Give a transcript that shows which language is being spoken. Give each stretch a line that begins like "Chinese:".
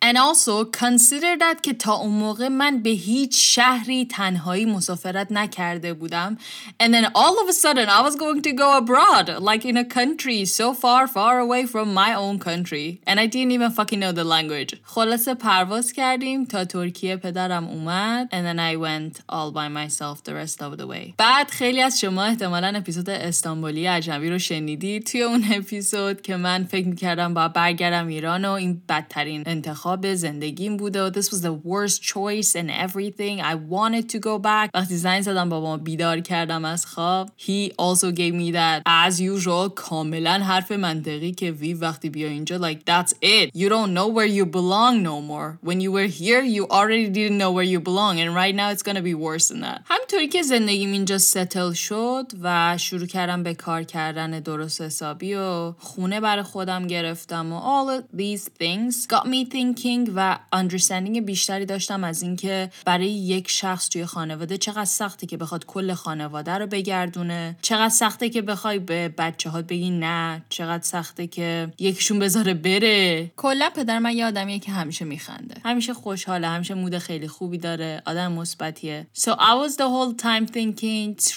English: And also consider that
Persian: که تا اون موقع من به هیچ شهری تنهایی مسافرت نکرده بودم
English: and then all of a sudden I was going to go abroad like in a country so far away from my own country and I didn't even fucking know the language.
Persian: خلاصه پرواز کردیم تا ترکیه پدرم اومد
English: and then I went all by myself the rest of the way.
Persian: بعد خیلی از شما احتمالاً اپیزود استانبولی عجمی رو شنیدید. توی اون اپیزود که من فکر می‌کردم با برگردم ایران و این بدترین انتخاب زندگیم بوده.
English: This was the worst choice and everything. I wanted to go back.
Persian: وقتی زنگ زدم بابا بیدار کردم از خواب.
English: He also gave me that as usual
Persian: کاملاً حرف منطقی که وی وقتی بیا اینجا
English: like that's it. You don't know where you belong no more. When you were here, you already didn't know where you belong and right now it's going to be worse than that.
Persian: همینطوری که زندگیم اینجا ستل شد و شروع کردم به کار کردن درست حسابی و خونه برای خودم گرفتم و
English: all these things got me thinking
Persian: و understanding بیشتری داشتم از اینکه برای یک شخص توی خانواده چقدر سختی که بخواد کل خانواده رو بگردونه چقدر سختی که بخوای به بچه هات بگی نه چقدر سختی که یکیشون بذاره بره کلا پدر من یه آدمیه که همیشه میخنده همیشه خوشحاله همیشه مود خیلی خوبی داره آدم مثبتیه
English: the whole time thinking